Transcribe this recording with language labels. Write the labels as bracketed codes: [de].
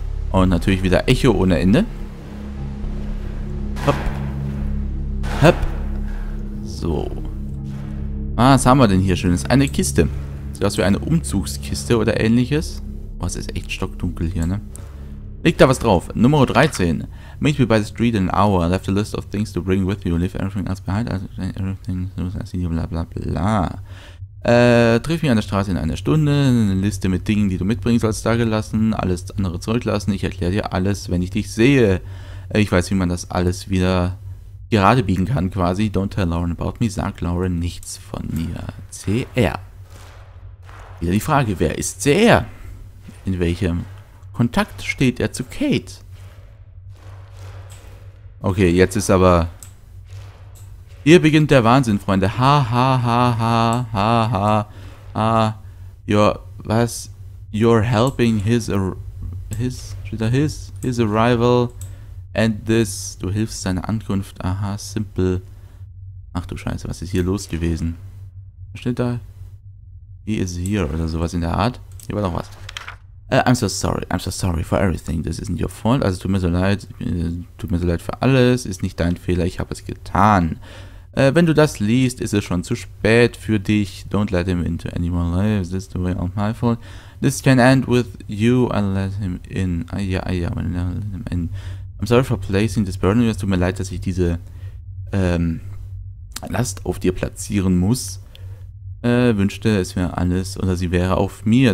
[de] Und natürlich wieder Echo ohne Ende. Hopp. Hopp. So. Was haben wir denn hier Schönes? Eine Kiste. Sieht aus wie eine Umzugskiste oder ähnliches. Boah, es ist echt stockdunkel hier, ne? Liegt da was drauf? Nummer 13. [en] Meet me by the street in an hour. I left a list of things to bring with you. Leave everything else behind. Everything loose as you, bla bla bla. [de] Triff mich an der Straße in einer Stunde. Eine Liste mit Dingen, die du mitbringen sollst, da gelassen. Alles andere zurücklassen. Ich erkläre dir alles, wenn ich dich sehe. Ich weiß, wie man das alles wieder gerade biegen kann, quasi. [en] Don't tell Lauren about me. [de] Sag Lauren nichts von mir. CR. Wieder die Frage: Wer ist CR? In welchem Kontakt steht er zu Kate? Okay, jetzt ist aber... Hier beginnt der Wahnsinn, Freunde. Ha, ha, ha, ha, ha, ha, ha. Your... Was? [en] You're helping his... His arrival. And this... [de] Du hilfst seiner Ankunft. Aha, simple. Ach du Scheiße, was ist hier los gewesen? Was steht da? [en] He is here [de] oder sowas in der Art. Hier war noch was. [en] I'm so sorry for everything. This isn't your fault. [de] Also tut mir so leid für alles. Ist nicht dein Fehler, ich habe es getan. Wenn du das liest, ist es schon zu spät für dich. [en] Don't let him into any more lives. This is the way of my fault. This can end with you. I'll let him in. I'm sorry for placing this burden. [de] Es tut mir leid, dass ich diese Last auf dir platzieren muss. Wünschte, es wäre alles, oder sie wäre auf mir.